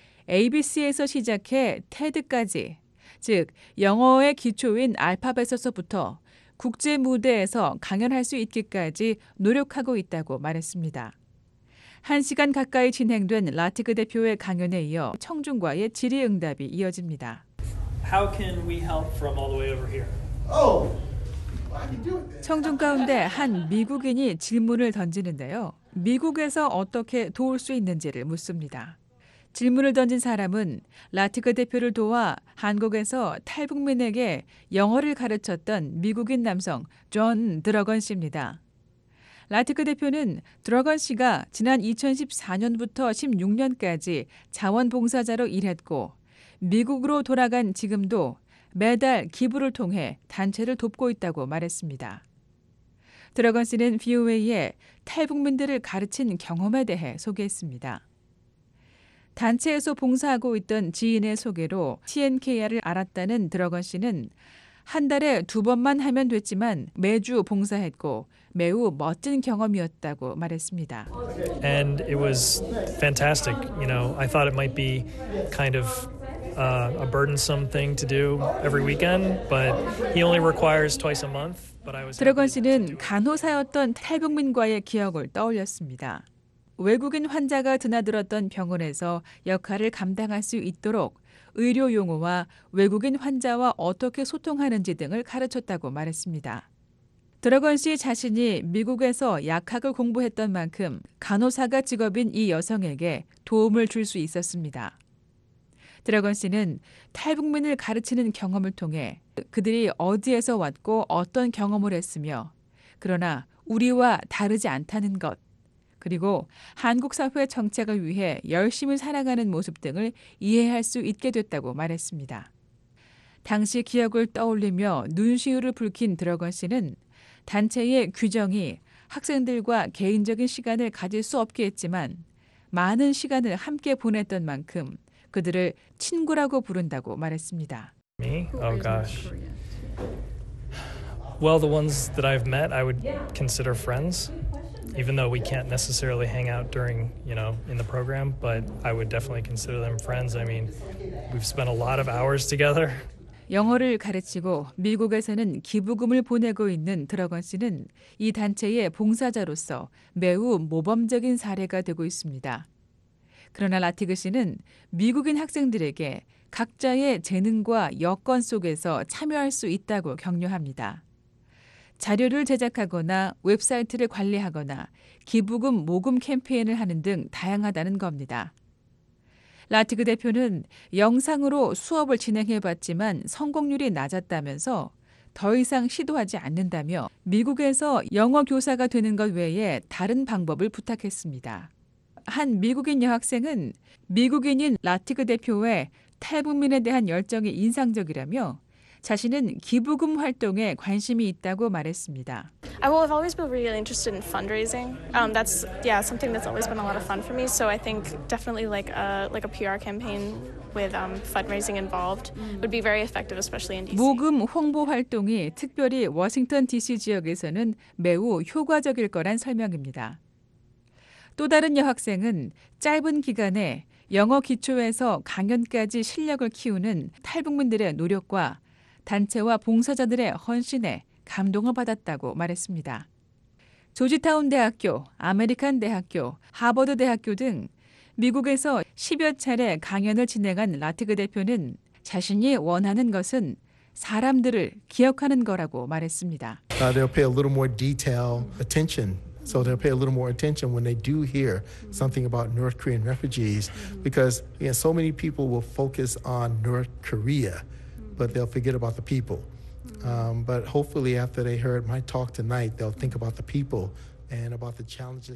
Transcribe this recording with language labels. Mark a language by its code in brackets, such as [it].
[ko] ABC에서 시작해 TED까지, 즉 영어의 기초인 알파벳에서부터 국제 무대에서 강연할 수 있기까지 노력하고 있다고 말했습니다. 1시간 가까이 진행된 라티그 대표의 강연에 이어 청중과의 질의응답이 이어집니다. [en] How can we help from all the way over here? Oh! [ko] 청중 가운데 한 미국인이 질문을 던지는데요. 미국에서 어떻게 도울 수 있는지를 묻습니다. 질문을 던진 사람은 라티그 대표를 도와 한국에서 탈북민에게 영어를 가르쳤던 미국인 남성 존 드러건 씨입니다. 라티크 대표는 드러건 씨가 지난 2014년부터 16년까지 자원봉사자로 일했고 미국으로 돌아간 지금도 매달 기부를 통해 단체를 돕고 있다고 말했습니다. 드러건 씨는 VOA에 탈북민들을 가르친 경험에 대해 소개했습니다. 단체에서 봉사하고 있던 지인의 소개로 TNKR을 알았다는 드러건 씨는 한 달에 두 번만 하면 됐지만 매주 봉사했고 매우 멋진 경험이었다고 말했습니다. [en] And it was fantastic. You know, I thought it might be kind of a burdensome thing to do every weekend, but he only requires twice a month. But I was. [ko] 드러건 씨는 간호사였던 탈북민과의 기억을 떠올렸습니다. 외국인 환자가 드나들었던 병원에서 역할을 감당할 수 있도록 의료 용어와 외국인 환자와 어떻게 소통하는지 등을 가르쳤다고 말했습니다. 드러건 씨 자신이 미국에서 약학을 공부했던 만큼 간호사가 직업인 이 여성에게 도움을 줄 수 있었습니다. 드러건 씨는 탈북민을 가르치는 경험을 통해 그들이 어디에서 왔고 어떤 경험을 했으며 그러나 우리와 다르지 않다는 것, 그리고 한국 사회 정착을 위해 열심히 살아가는 모습 등을 이해할 수 있게 됐다고 말했습니다. 당시 기억을 떠올리며 눈시울을 붉힌 드러건 씨는 단체의 규정이 학생들과 개인적인 시간을 가질 수 없게 했지만 많은 시간을 함께 보냈던 만큼 그들을 친구라고 부른다고 말했습니다. [en] Me? Oh gosh. Well, the ones that I've met, I would consider friends. Even though we can't necessarily hang out during, you know, in the program, but I would definitely consider them friends. I mean, we've spent a lot of hours together. [ko] 영어를 가르치고 미국에서는 기부금을 보내고 있는 드러건 씨는 이 단체의 봉사자로서 매우 모범적인 사례가 되고 있습니다. 그러나 라티그 씨는 미국인 학생들에게 각자의 재능과 여건 속에서 참여할 수 있다고 격려합니다. 자료를 제작하거나 웹사이트를 관리하거나 기부금 모금 캠페인을 하는 등 다양하다는 겁니다. 라티그 대표는 영상으로 수업을 진행해봤지만 성공률이 낮았다면서 더 이상 시도하지 않는다며 미국에서 영어 교사가 되는 것 외에 다른 방법을 부탁했습니다. 한 미국인 여학생은 미국인인 라티그 대표의 탈북민에 대한 열정이 인상적이라며 자신은 기부금 활동에 관심이 있다고 말했습니다. [en] I will have always been really interested in fundraising. That's yeah, something that's always been a lot of fun for me. So I think definitely like a PR campaign with fundraising involved would be very effective, especially in DC. [ko] 모금 홍보 활동이 특별히 워싱턴 DC 지역에서는 매우 효과적일 거란 설명입니다. 또 다른 여학생은 짧은 기간에 영어 기초에서 강연까지 실력을 키우는 탈북민들의 노력과 단체와 봉사자들의 헌신에 감동을 받았다고 말했습니다. 조지타운 대학교, 아메리칸 대학교, 하버드 대학교 등 미국에서 10여 차례 강연을 진행한 라티그 대표는 자신이 원하는 것은 사람들을 기억하는 거라고 말했습니다. [en] They'll pay a little more detail attention. So they'll pay a little more attention when they do hear something about North Korean refugees because yeah, so many people will focus on North Korea. But they'll forget about the people. But hopefully after they heard my talk tonight, they'll think about the people and about the challenges.